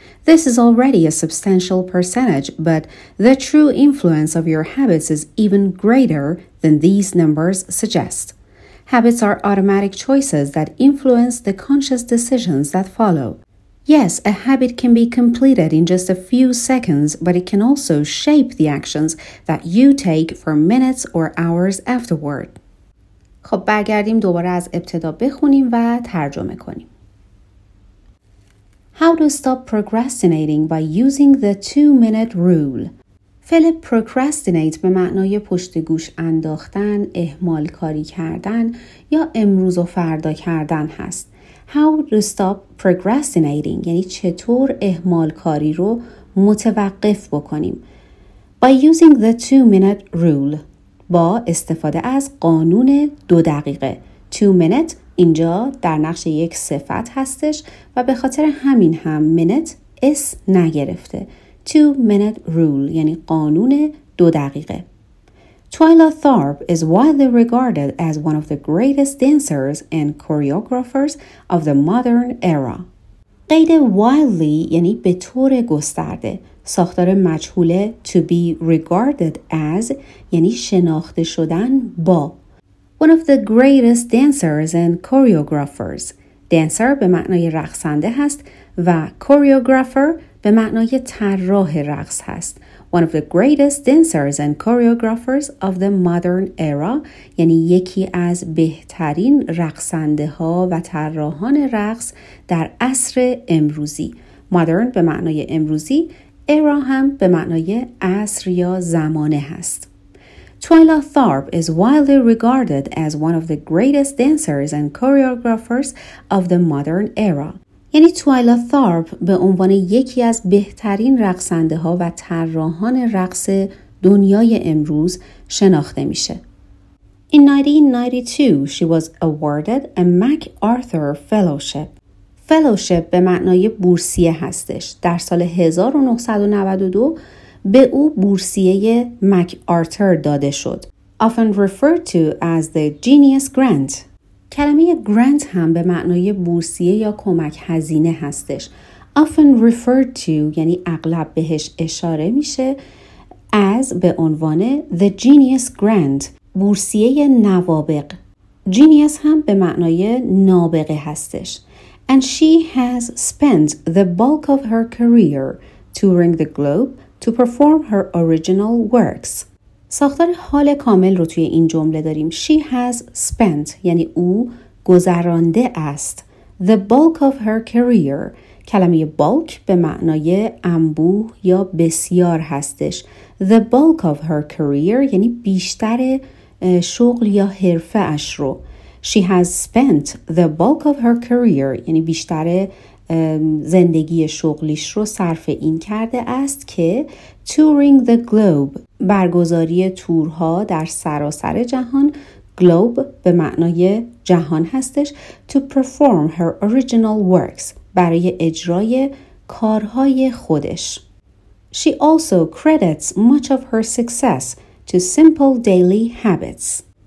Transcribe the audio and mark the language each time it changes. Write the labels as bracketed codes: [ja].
[en] This is already a substantial percentage, but the true influence of your habits is even greater than these numbers suggest. Habits are automatic choices that influence the conscious decisions that follow. Yes, a habit can be completed in just a few seconds, but it can also shape the actions that you take for minutes or hours afterward. [fa] خب برگردیم دوباره از ابتدا بخونیم و ترجمه کنیم. [en] How to stop procrastinating by using the 2-minute rule. [fa] فعل procrastinate به معنای پشت گوش انداختن، اهمال کاری کردن یا امروز و فردا کردن هست. [en] How to stop procrastinating [fa] یعنی چطور اهمال کاری رو متوقف بکنیم. [en] By using the 2-minute rule، [fa] با استفاده از قانون 2 دقیقه. 2 minute اینجا در نقش یک صفت هستش و به خاطر همین هم minute اس نگرفته. [en] 2-minute rule [fa] یعنی قانون 2 دقیقه. [en] Twyla Tharp is widely regarded as one of the greatest dancers and choreographers of the modern era. [fa] قید widely یعنی به طور گسترده. ساختار مجهول [en] to be regarded as [fa] یعنی شناخته شدن با. [en] One of the greatest dancers and choreographers. [fa] Dancer به معنای رقصنده هست و choreographer به معنای طراح رقص هست. [en] One of the greatest dancers and choreographers of the modern era [fa] یعنی یکی از بهترین رقصنده ها و طراحان رقص در عصر امروزی. Modern به معنای امروزی، era هم به معنای عصر یا زمانه هست. [en] Twyla Tharp is widely regarded as one of the greatest dancers and choreographers of the modern era. [fa] یعنی توایلا تارپ به عنوان یکی از بهترین رقصنده ها و طراحان رقص دنیای امروز شناخته میشه. [en] In 1992, she was awarded a MacArthur Fellowship. [fa] Fellowship به معنای بورسیه هستش. در سال 1992 به او بورسیه MacArthur داده شد. [en] Often referred to as the Genius Grant. [fa] کلمه grant هم به معنای بورسیه یا کمک هزینه هستش. [en] Often referred to [fa] یعنی اغلب بهش اشاره میشه as به عنوان [en] the genius grant، [fa] بورسیه نوابق. Genius هم به معنای نابغه هستش. [en] And she has spent the bulk of her career touring the globe to perform her original works. [fa] ساختار حال کامل رو توی این جمله داریم. [en] She has spent [fa] یعنی او گذرانده است [en] the bulk of her career. [fa] کلمه bulk به معنای انبوه یا بسیار هستش. [en] The bulk of her career [fa] یعنی بیشتر شغل یا حرفه اش رو. [en] She has spent the bulk of her career [fa] یعنی بیشتر زندگی شغلیش رو صرف این کرده است که [en] touring the globe [fa] برگزاری تورها در سراسر جهان. Globe به معنای جهان هستش. [en] To perform her original works [fa] برای اجرای کارهای خودش. [en] She also credits much of her success to simple daily habits.